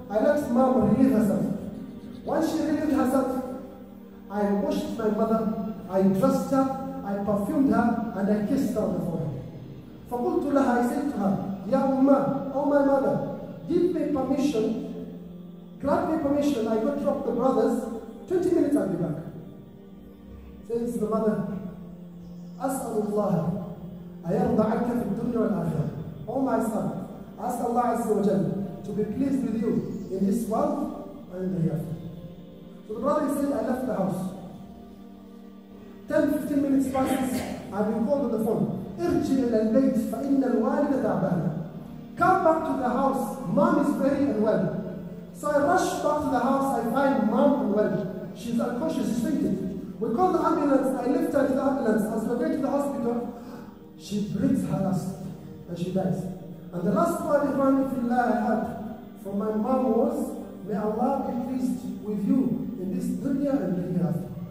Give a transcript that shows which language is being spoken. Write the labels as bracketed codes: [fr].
[en] I let mom relieve herself. Once she relieved herself, I washed my mother. I dressed her. I perfumed her. And I kissed her on the forehead. [ar] فَقُلْتُ لَهَا. [en] I said to her, [ar] يَا أُمَّا. [en] Oh, my mother, give me permission. Grant me permission, I go drop the brothers, 20 minutes I'll be back. Says the mother, [ar] أسأل الله أيرضعك في الدنيا والآخرة. [en] Oh my son, ask Allah Azza wa Jal to be pleased with you in this world and in the hereafter. So the brother said, I left the house. 10-15 minutes passes, I've been called on the phone. [ar] ارجع إلى البيت فإن الوالدة تعبانة. [en] Come back to the house, mom is very unwell. So I rush back to the house, I find mom unwell. She's unconscious, she's fainted. We call the ambulance, I lift her to the ambulance. As we're going to the hospital, she breathes her last. and she dies. And the last part of one thing that I had from my mom was, may Allah be pleased with you in this dunya and the hereafter.